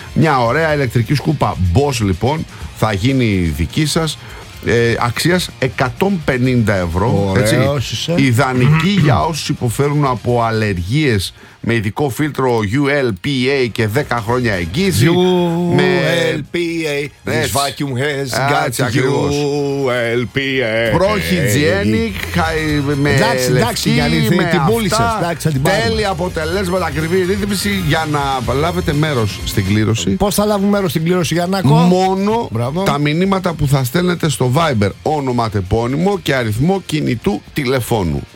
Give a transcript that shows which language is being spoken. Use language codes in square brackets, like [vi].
[el] Μια ωραία ηλεκτρική σκούπα Bosch λοιπόν θα γίνει δική σας. Αξίας 150 ευρώ. Ωραία, έτσι, ιδανική για όσους υποφέρουν από αλλεργίες με ειδικό φίλτρο ULPA και 10 χρόνια εγγύηση. ULPA. [en] This vacuum has got ULPA. Προχυγιένικ. [el] Εντάξει, εντάξει, γιατί την πούλησε. Τέλεια αποτελέσματα, ακριβή ρύθμιση για να λάβετε μέρος στην κλήρωση. Πώς θα λάβουν μέρος στην κλήρωση, Γιαννάκο? Μόνο τα μηνύματα που θα στέλνετε στο Viber. Όνομα, τεπώνυμο και αριθμό κινητού τηλεφώνου.